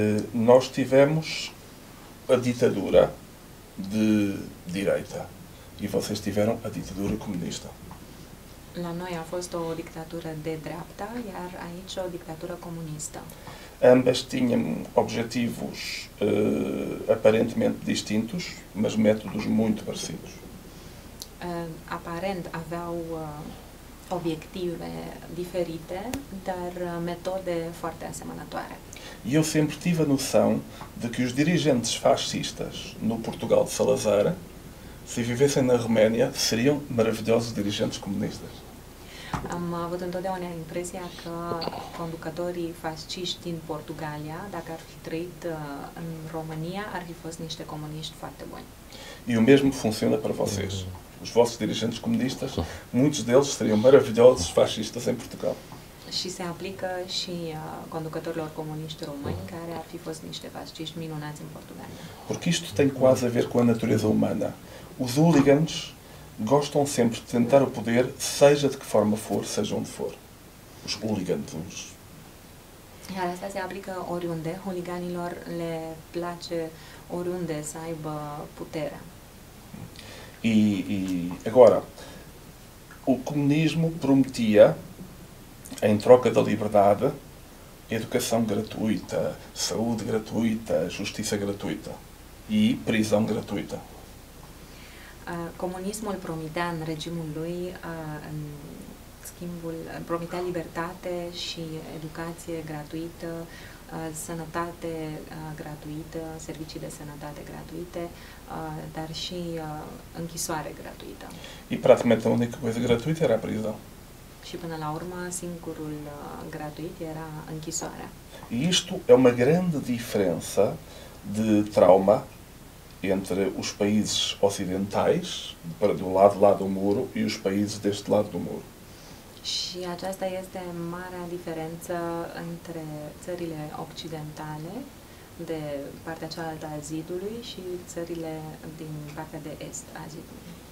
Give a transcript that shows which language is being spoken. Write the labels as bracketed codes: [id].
[pt] Nós tivemos a ditadura de direita e vocês tiveram a ditadura comunista. [ro] La noi a fost o dictatură de dreapta, iar aici o dictatură comunistă. [pt] Ambas tinham objetivos aparentemente distintos, mas métodos muito parecidos. [ro] Aparent aveau obiective diferite, dar metode foarte asemănătoare. [pt] Eu sempre tive a noção de que os dirigentes fascistas no Portugal de Salazar, se vivessem na Roménia, seriam maravilhosos dirigentes comunistas. [ro] Am avut întotdeauna impresia că conducătorii fasciști din Portugalia, dacă ar fi trăit în România, ar fi fost niște comuniști foarte buni. [pt] E o mesmo funciona para vocês. Os vossos dirigentes comunistas, muitos deles seriam maravilhosos fascistas em Portugal. [ro] Și se aplică și conducătorilor comuniști români care ar fi fost niște fasciști minunați în Portugal. [pt] Porque isto tem quase a ver com a natureza humana. Os hooligans gostam sempre de tentar o poder, seja de que forma for, seja onde for. Os hooligans. [ro] Iar asta se aplică oriunde. Hooliganilor le place oriunde să aibă puterea. [pt] E agora, o comunismo prometia, em troca da liberdade, educação gratuita, saúde gratuita, justiça gratuita e prisão gratuita. [ro] Comunismul promitea în regimul lui, în schimbul, promitea libertate și educație gratuită, sănătate gratuită, servicii de sănătate gratuite, dar și închisoare gratuită. [pt] Și practic, unica cosa gratuită era priză. [ro] Și până la urmă, singurul gratuit era închisoarea. [pt] Și isto é uma grande diferença de trauma entre os países ocidentais, para do lado lá do muro, e os países deste lado do muro. [ro] Și aceasta este marea diferență între țările occidentale de partea cealaltă a zidului și țările din partea de est a zidului.